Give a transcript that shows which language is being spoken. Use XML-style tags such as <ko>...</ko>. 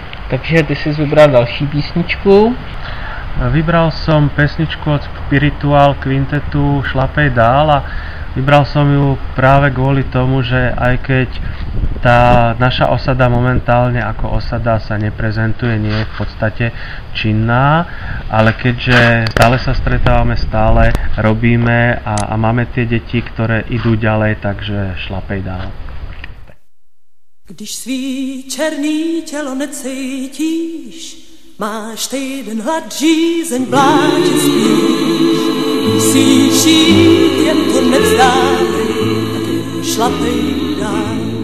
<cs>Takže ty si vybral další písničku.</cs> <sk>Vybral som pesničku od Spiritual Quintetu Šlapej dál, a vybral som ju práve kvôli tomu, že aj keď tá naša osada momentálne ako osada sa neprezentuje, nie je v podstate činná, ale keďže stále sa stretávame, stále robíme a máme tie deti, ktoré idú ďalej, takže šlapej dál.</sk> <cs>Když svý černý tělo necítíš, máš týden hlad, žízeň, bláče spíš. Musíš jít, jen to nevzdávej, šlapej dál.</cs>